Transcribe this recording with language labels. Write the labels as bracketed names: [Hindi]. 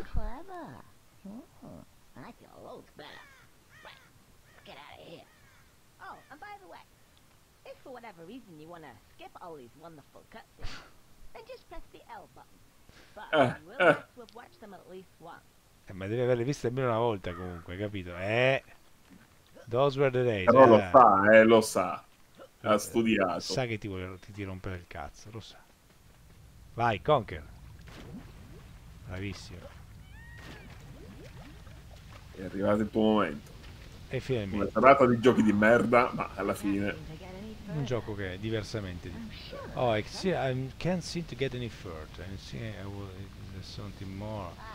[English] Clever. Oh, I feel loads better. Right, let's get out of here. Oh, and by the way, if for whatever reason you want to skip all these wonderful cutscenes, then just press the L button. But you will have to have watched them at least once. [Italian] Ma devi averle viste almeno una volta comunque, capito? [English] Those were the days. [Italian] Però lo sa, lo sa. Ha studiato. Sa che ti vuole ti rompere il cazzo, lo sa. Vai, Conker. Bravissimo. È arrivato il tuo momento. E finalmente. Una serata di giochi di merda, ma alla fine... Un gioco che è diversamente... [English] Oh, I see, I can't seem to get any further. I see, I will, there's something more...